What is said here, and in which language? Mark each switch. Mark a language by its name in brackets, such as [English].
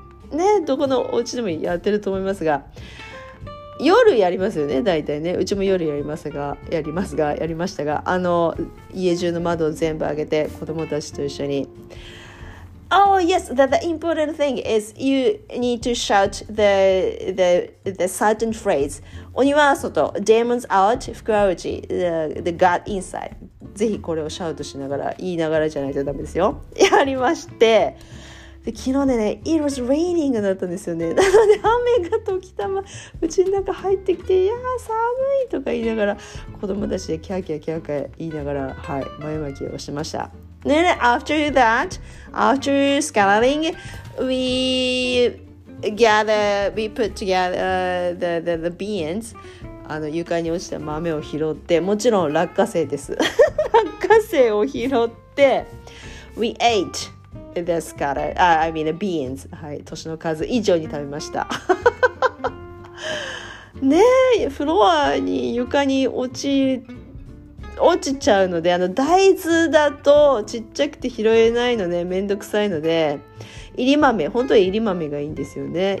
[Japanese] ね、どこのお家でもやってると思いますが、夜やりますよね、大体ね。うちも夜やりますが、やりましたが、あの家中の窓を全部開けて子供たちと一緒に。 [English] Oh yes, the important thing is you need to shout the certain phrase. [Japanese] 鬼は外、 [English] demons out, [Japanese] 福は内、 [English] the God inside. [Japanese] ぜひこれをシャウトしながら、言いながらじゃないとダメですよ。やりまして、で昨日ね、 [English] it was raining [Japanese] だったんですよね。なので雨が時たま、うちの中入ってきて、いやー寒いとか言いながら、子供たちでキャーキャーキャーキャー言いながら、はい、前巻きをしました。 [English] Then after that, after scattering, we put together the beans. [Japanese] あの床に落ちた豆を拾って、もちろん落花生です。落花生を拾って、 [English] we ate the scatter. I mean the beans. [Japanese] はい、年の数以上に食べました。ねえ、フロアに床に落ちちゃうので、あの大豆だとちっちゃくて拾えないので、めんどくさいので、いり豆、本当はいり豆がいいんですよね。